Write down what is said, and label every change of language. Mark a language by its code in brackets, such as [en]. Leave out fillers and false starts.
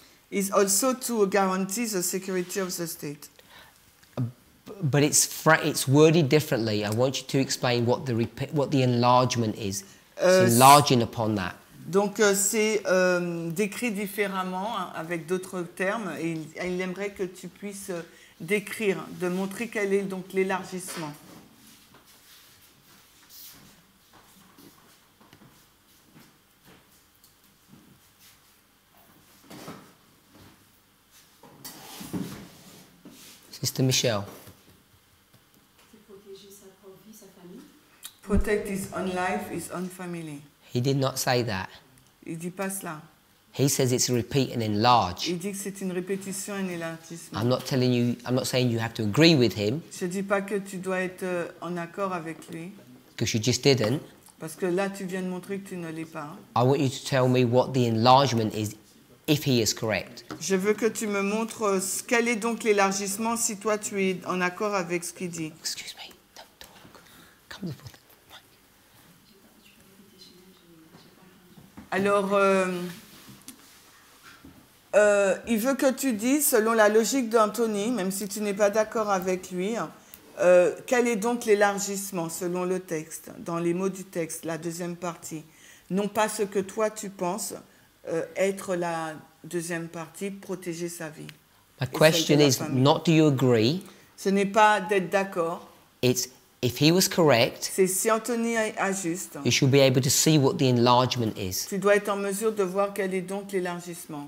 [en] Is also to guarantee the security of the state. But it's worded differently. I want you to explain what the enlargement is. Enlarging upon that. [fr] Donc c'est décrit différemment avec d'autres termes et il aimerait que tu puisses décrire, de montrer quel est donc l'élargissement. [en] Mr. Michel. Protect his own life, his own family. He did not say that. [fr] Il dit pas cela. [en] He says it's a repeat and enlarge. [fr] Il dit que c'est une répétition, un élargissement. [en] I'm not saying you have to agree with him. [fr] Je dis pas que tu dois être en accord avec lui. [en] Because you just didn't. [fr] Parce que là, tu viens de montrer que tu ne l'es pas. [en] I want you to tell me what the enlargement is. If he is correct. [fr] Je veux que tu me montres quel est donc l'élargissement si toi tu es en accord avec ce qu'il dit. [en] Excuse me, don't talk. Come to the point. [fr] Alors, il veut que tu dises, selon la logique d'Anthony, même si tu n'es pas d'accord avec lui, quel est donc l'élargissement selon le texte, dans les mots du texte, la deuxième partie. Non pas ce que toi tu penses être la... Deuxième partie, protéger sa vie. [en] My question is not do you agree. [fr] Ce n'est pas d'être d'accord. [en] It's if he was correct. [fr] C'est si Anthony a juste. [en] You should be able to see what the enlargement is. [fr] Tu dois être en mesure de voir quel est donc l'élargissement.